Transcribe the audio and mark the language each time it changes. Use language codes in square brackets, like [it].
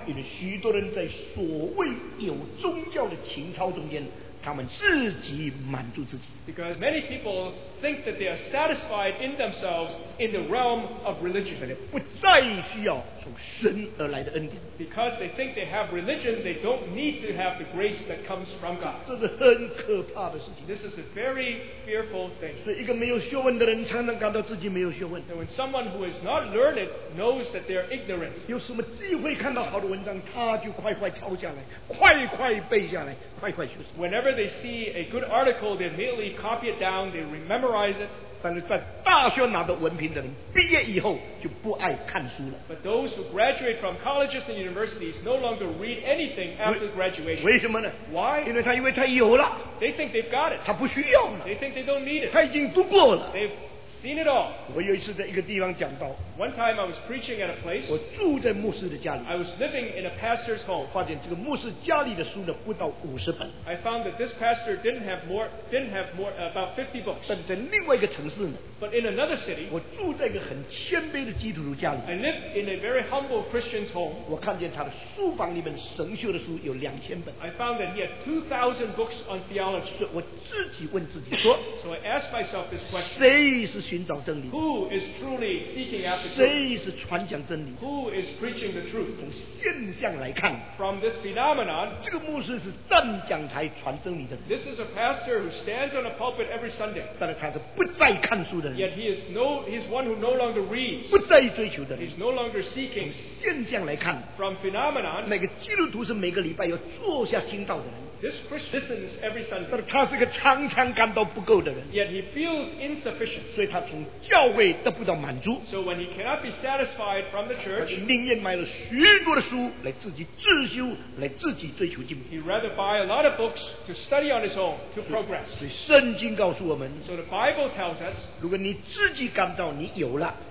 [zh] 因为许多人在所谓有宗教的情操中间，他们自己满足自己。 [en] Because many people think that they are satisfied in themselves in the realm of religion. [zh] 不再需要从神而来的恩典。 [en] Because they think they have religion, they don't need to have the grace that comes from God. [zh] 这是很可怕的事情。 [en] This is a very fearful thing. [zh] 所以一个没有学问的人常常感到自己没有学问。 [en] And when someone who is not learned knows that they are ignorant, [zh] 有什么机会看到好的文章，他就快快抄下来，快快背下来，快快学习。 [en] Whenever they see a good article, they immediately copy it down, they memorize it. [zh] 但是在大学拿到文凭的人，毕业以后就不爱看书了。 [en] But those who graduate from colleges and universities no longer read anything after graduation. [zh] 为什么呢？ [en] Why? [zh] 因为他以为他有了。 [en] They think they've got it. [zh] 他不需要了。 [en] They think they don't need it. [zh] 他已经读过了。 [en] They've seen it all. [zh] 我有一次在一个地方讲到。 [en] One time I was preaching at a place. [zh] 我住在牧师的家里。 [en] I was living in a pastor's home. [zh] 发现这个牧师家里的书呢不到五十本。 [en] I found that this pastor didn't have more about 50 books. [zh] 但在另外一个城市呢。 [en] But in another city. [zh] 我住在一个很谦卑的基督徒家里。 [en] I lived in a very humble Christian's home. [zh] 我看见他的书房里面神学的书有2000本。 [en] I found that he had 2,000 books on theology. [zh] 所以我自己问自己说。 [en] So I asked myself this question. [zh] 谁是寻找真理？ [en] Who is truly seeking after truth? [zh] 谁是传讲真理？ [en] Who is preaching the truth? [zh] 从现象来看， [en] From this phenomenon, [zh] 这个牧师是站讲台传真理的。 [en] This is a pastor who stands on a pulpit every Sunday. [zh] 但是他是不再看书的人。 [en] Yet he is one who no longer reads. [zh] 不再追求的人。 [en] He's no longer seeking. [zh] 从现象来看， [en] From phenomenon, [zh] 每个基督徒是每个礼拜要坐下听道的人。 [en] This Christian listens every Sunday. [zh] 但他是个常常感到不够的人。 [en] Yet he feels insufficient. [zh] 所以他从教会得不到满足。 [en] So when he cannot be satisfied from the church, [zh] 他宁愿买了许多的书来自己自修，来自己追求进步。 [en] He'd rather buy a lot of books to study on his own, to progress. [zh] 所以圣经告诉我们， [en] So the Bible tells us, [zh] 如果你自己感到你有了，